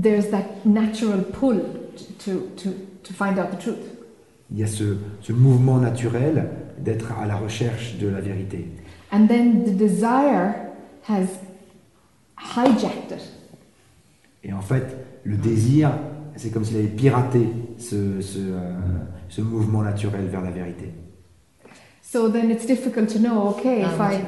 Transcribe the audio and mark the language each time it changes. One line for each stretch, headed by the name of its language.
English: There's that natural pull to find out the truth.
French: Il y a ce mouvement naturel d'être à la recherche de la vérité.
English: And then the desire has hijacked it.
French: Et en fait, le désir, c'est comme s'il avait piraté ce mouvement naturel vers la vérité.
English: So then it's difficult to know, okay, if